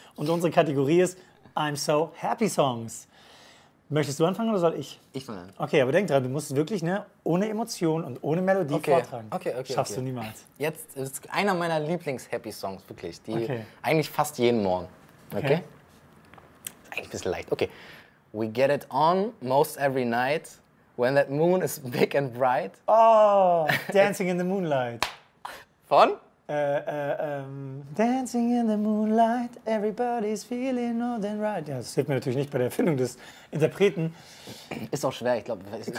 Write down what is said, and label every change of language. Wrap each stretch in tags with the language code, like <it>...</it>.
<de>Und unsere Kategorie ist I'm So Happy Songs. Möchtest du anfangen oder soll ich? Ich fange an. Okay, aber denk dran, du musst wirklich, ne, ohne Emotion und ohne Melodie vortragen. Okay. Schaffst okay. du niemals. Jetzt ist einer meiner Lieblings-Happy Songs, wirklich. Die eigentlich fast jeden Morgen. Okay. Eigentlich ein bisschen leicht. Okay.</de> <en>We get it on most every night when that moon is big and bright. Oh, Dancing in the Moonlight.</en> <de>Von?</de> <en>Dancing in the Moonlight, everybody's feeling all than right.</en> <de>Ja, das hilft mir natürlich nicht bei der Erfindung des Interpreten. Ist auch schwer, ich glaube, es ist</de>